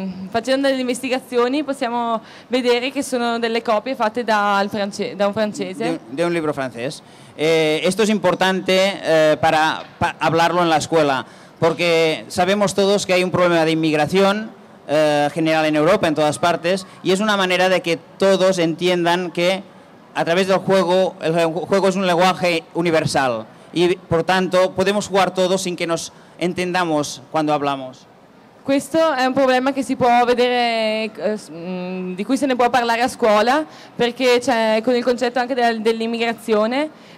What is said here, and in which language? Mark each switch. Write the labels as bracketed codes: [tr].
[it] facendo delle investigazioni possiamo vedere che sono delle copie fatte da un francese. [es] De un libro francese. Esto es importante para hablarlo en la escuela, porque sabemos todos que hay un problema de inmigración general en Europa, en todas partes, y es una manera de que todos entiendan que a través del juego, el juego es un lenguaje universal y por tanto podemos jugar todos sin que nos entendamos cuando hablamos. [it] Questo è un problema che si può vedere, di cui se ne può parlare a scuola, perché c'è con il concetto anche dell'immigrazione.